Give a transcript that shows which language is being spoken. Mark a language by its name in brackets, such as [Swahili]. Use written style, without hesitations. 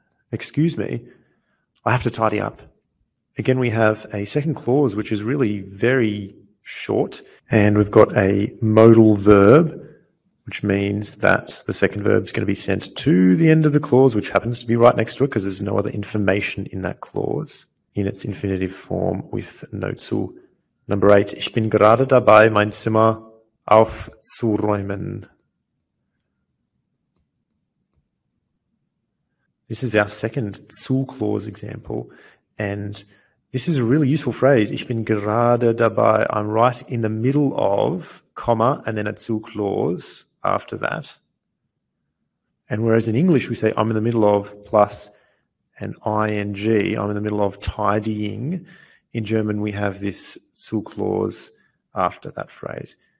[English] Excuse me, I have to tidy up. Again, we have a second clause, which is really very short, and we've got a modal verb, which means that the second verb is going to be sent to the end of the clause, which happens to be right next to it because there's no other information in that clause in its infinitive form with no zu. Number eight, [German] ich bin gerade dabei, mein Zimmer aufzuräumen. [English] This is our second zu clause example, and this is a really useful phrase. [German] Ich bin gerade dabei, [English] I'm right in the middle of, comma, and then a zu clause after that. And whereas in English we say I'm in the middle of plus an ing, I'm in the middle of tidying, in German we have this zu clause after that phrase.